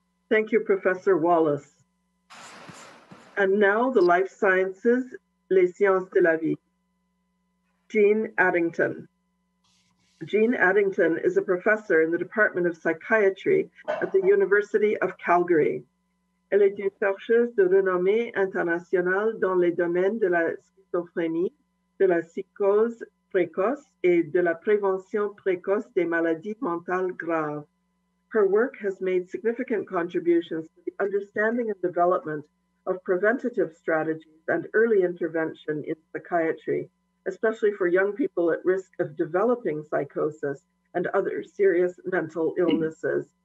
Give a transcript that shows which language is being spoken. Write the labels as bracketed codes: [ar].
[en] Thank you, Professor Wallace. And now the life sciences, [fr] les sciences de la vie. [en] Jean Addington. Jean Addington is a professor in the Department of Psychiatry at the University of Calgary. [fr] Elle est une chercheuse de renommée internationale dans les domaines de la schizophrénie, de la psychose précoce et de la prévention précoce des maladies mentales graves. [en] Her work has made significant contributions to the understanding and development of preventative strategies and early intervention in psychiatry, especially for young people at risk of developing psychosis and other serious mental illnesses.